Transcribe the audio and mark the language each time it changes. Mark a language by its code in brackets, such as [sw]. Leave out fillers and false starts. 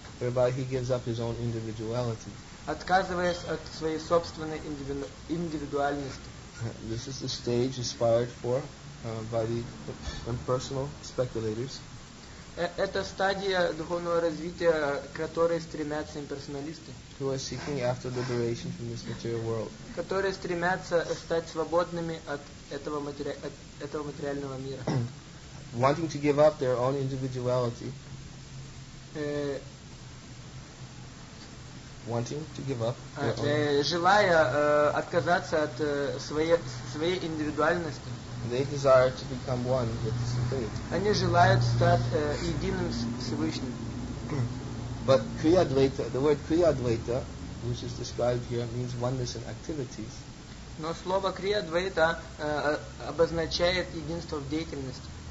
[en] Whereby he gives up his own individuality. [ru] Отказываясь от своей собственной индивидуальности. [en] This is the stage aspired for by the impersonal speculators. [ru] Это стадия духовного развития, к которой стремятся имперсоналисты. [en] Who are seeking after liberation from this material world. [ru] Которые стремятся стать свободными от этого материального мира. [en] Wanting to give up their own individuality. Wanting to give up their own. [ru] Желая отказаться от своей индивидуальности. [en] They desire to become one with the Supreme. [ru] Они желают стать единым с Всевышним. [en] But Kriya-dvaita, the word Kriya-dvaita, which is described here, means oneness in activities. [ru] Но слово крия двайта обозначает единство в деятельности.